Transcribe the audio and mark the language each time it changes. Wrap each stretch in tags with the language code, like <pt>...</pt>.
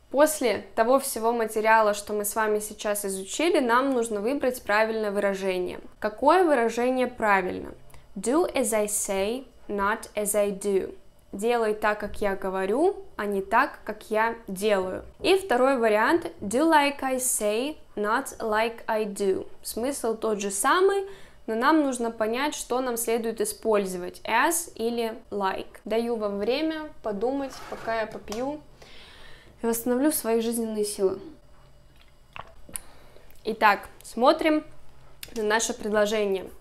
<ru>После того всего материала, что мы с вами сейчас изучили, нам нужно выбрать правильное выражение. Какое выражение правильно?</ru> <en>Do as I say, not as I do.</en> <ru>Делай так, как я говорю, а не так, как я делаю. И второй вариант.</ru> <en>Do like I say, not like I do.</en> <ru>Смысл тот же самый, но нам нужно понять, что нам следует использовать. As или like. Даю вам время подумать, пока я попью и восстановлю свои жизненные силы. Итак, смотрим на наше предложение.</ru>